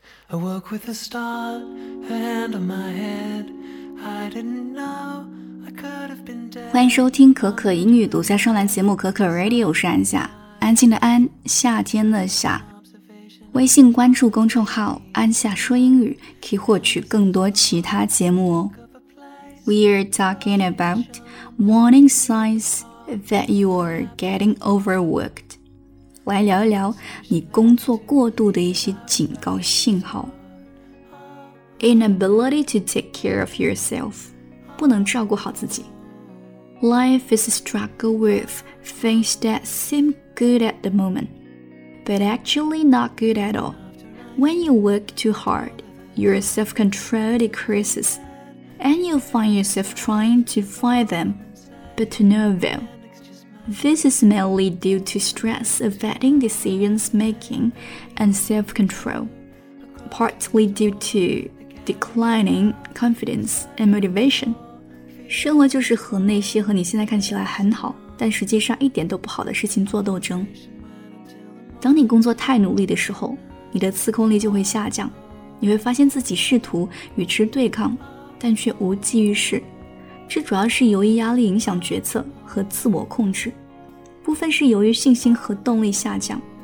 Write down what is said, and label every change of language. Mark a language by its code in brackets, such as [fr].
[en] I woke with a start, a hand on my head. I didn't know I could have been dead. [zh] 欢迎收听可可英语独家上栏节目可可 Radio， 是安夏，安静的安，夏天的夏。微信关注公众号安夏说英语，可以获取更多其他节目哦。 [en] We're talking about warning signs that you are getting overworked. [zh] 来聊一聊你工作过度的一些警告信号。 [en] Inability to take care of yourself. [zh] 不能照顾好自己。 [en] Life is a struggle with things that seem good at the moment, but actually not good at all. When you work too hard, your self-control decreases. And you find yourself trying to fight them, but to no avail. This is mainly due to stress affecting decisions making and self-control, partly due to declining confidence and motivation. [zh] 生活就是和那些和你现在看起来很好，但实际上一点都不好的事情做斗争。当你工作太努力的时候，你的自控力就会下降，你会发现自己试图与之对抗。但却无济于事，这主要是由于压力影响决策和自我控制，部分是由于信心和动力下降。